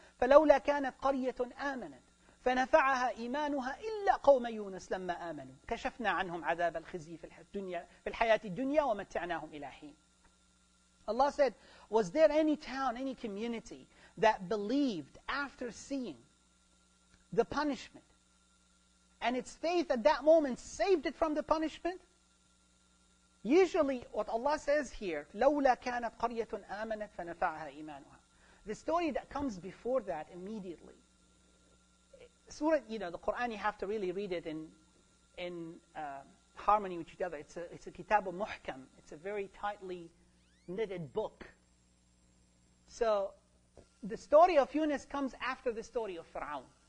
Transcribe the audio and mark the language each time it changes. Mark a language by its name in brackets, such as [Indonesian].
[Arabic] فَلَوْلَا كَانَتْ قَرْيَةٌ آمَنَتْ فَنَفَعَهَا إِيمَانُهَا إِلَّا قَوْمَ يُونَسْ لَمَّا آمَنُوا كَشَفْنَا عَنْهُمْ عَذَابَ الْخِزِي فِي الْحَيَاةِ الدُّنْيَا وَمَتَّعْنَاهُمْ إِلَى حِينَ. [English] Allah said, was there any town, any community that believed after seeing the punishment and its faith at that moment saved it from the punishment? Usually, what Allah says here, [Arabic] لَوْلَا كَانَتْ قَرْيَةٌ آمَنَتْ فَنَفَعَهَا إِيمَانُهَا. [English] The story that comes before that immediately. Surah, you know, the Qur'an, you have to really read it in harmony with each other. It's a kitab muhkam. It's a very tightly knitted book. So, the story of Yunus comes after the story of Fir'aun.